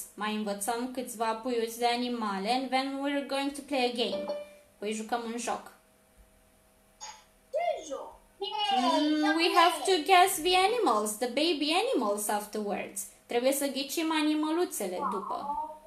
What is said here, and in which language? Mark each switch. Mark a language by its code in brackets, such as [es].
[ro] Mai învățăm câțiva puiuți de animale [en] and then we're going to play a game. [ro] Păi jucăm un joc. Ce joc? [en] We have to guess the animals, the baby animals afterwards. [ro] Trebuie să ghicim animăluțele după.